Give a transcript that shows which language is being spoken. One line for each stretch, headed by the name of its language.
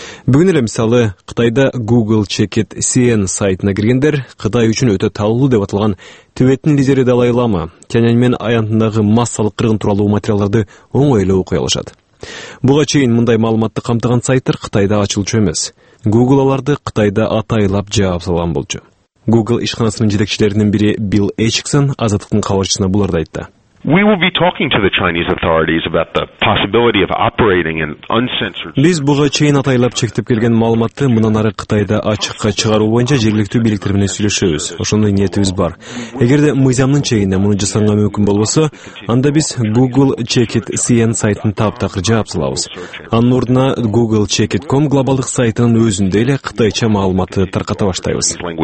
Kyrgyz: Бүгүн эле мисалы Кытайда Google чекит CN сайтына киргендер Кытай үчүн өтө таалулуу деп аталган Тибеттин лидери Далай Лама Тяньаньмен аянтындагы массалык кыргын тууралуу материалдарды оңой эле окуй алышат. Буга чейин мындай маалыматты камтыган сайттар Кытайда ачылчу эмес. Google аларды Кытайда атайлап жаап салган болчу. Google ишканасынын жетекчилеринин бири Билл Эчиксон азаттыктын кабарчысына буларды айтты.
English: We will be talking to the Chinese authorities about the possibility of operating in uncensored.
Kyrgyz: Биз буга чейин атайлап чектеп келген маалыматты мындан ары Кытайда ачыкка чыгаруу боюнча жергиликтүү бийликтер менен сүйлөшөбүз. Ошондой ниетибиз бар. Эгерде мыйзамдын чегинде муну жасаганга мүмкүн болбосо, анда биз Google Checkit CN сайтын таптакыр жаап салабыз. Анын ордуна Google Checkit.com глобалдык сайтынын өзүндө эле кытайча маалыматты тарката баштайбыз.